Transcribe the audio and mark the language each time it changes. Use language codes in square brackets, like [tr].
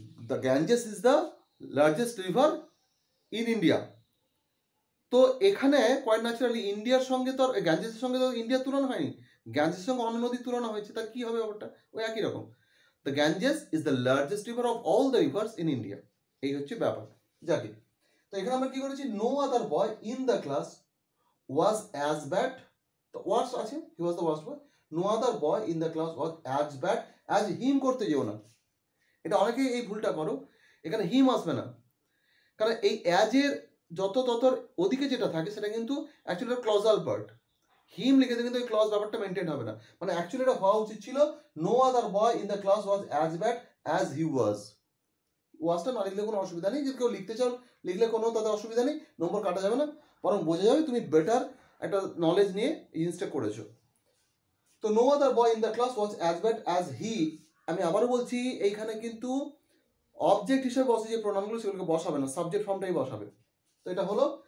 [en] the Ganges is the largest river in India, [bn] তো এখানে quite naturally ইন্ডিয়ার সঙ্গে তো গ্যাঞ্জেসের সঙ্গে তো ইন্ডিয়ার তুলনা হয়নি, গ্যাঞ্জেসের সঙ্গে অন্য নদীর তুলনা হয়েছে, তা কী হবে ব্যাপারটা, ওই একই রকম, [en] the Ganges is the largest river of all the rivers in India, [bn] এই হচ্ছে ব্যাপার, যাকে তো এখানে আমরা কী করেছি [en] No other boy in the class was as bad The worst আছে, he was the worst boy. No other boy in the class was as bad as him [bn] করতে যেও না। এটা অনেকে এই ভুলটা করো, এখানে him আসবে না। কারণ এই as এর যত ততর ওদিকে যেটা থাকে সেটা কিন্তু actually clausal part। Him লিখে দিলে কিন্তু এই clause ব্যাপারটা maintain হবে না। মানে actually এটা হওয়া উচিত ছিল, [en] no other boy in the class was as bad as he was। [bn] ওয়াজটা না লিখলে কোনো অসুবিধা নেই, যদি কেউ লিখতে চাও লিখলে কোনো তাতে অসুবিধা নেই, নম্বর কাটা যাবে না, বরং বোঝা যাবে তুমি বেটার একটা নলেজ নিয়ে ইনস্ট্রাক্ট করেছো। তো [en] no other boy in the class was as bad as he, [bn] আমি আবারও বলছি এইখানে কিন্তু অবজেক্ট হিসেবে বসে যে প্রণামগুলো সেগুলোকে বসাবে না, সাবজেক্ট ফর্মটাই বসাবে। তো এটা হলো।